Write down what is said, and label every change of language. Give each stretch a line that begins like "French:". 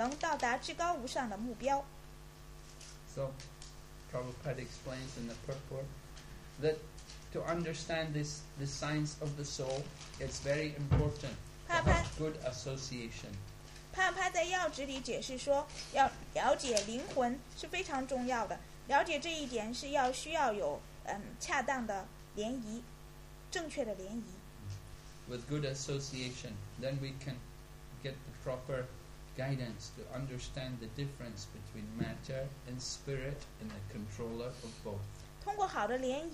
Chinese: 主Krishna他概述了这一章。那些35，那些以知识之眼看到躯体与躯体认知者的区别，又能了解从物质自然的束缚中获得解脱的程序的人，能到达至高无上的目标。So,
English: Prabhupada explains in the purport that. To understand this science of the soul, it's very important to have good association.
Chinese: 帕帕在要旨里解释说，要了解灵魂是非常重要的。了解这一点是要需要有恰当的联谊，正确的联谊。
English: With good association, then we can get the proper guidance to understand the difference between matter and spirit and the controller of both.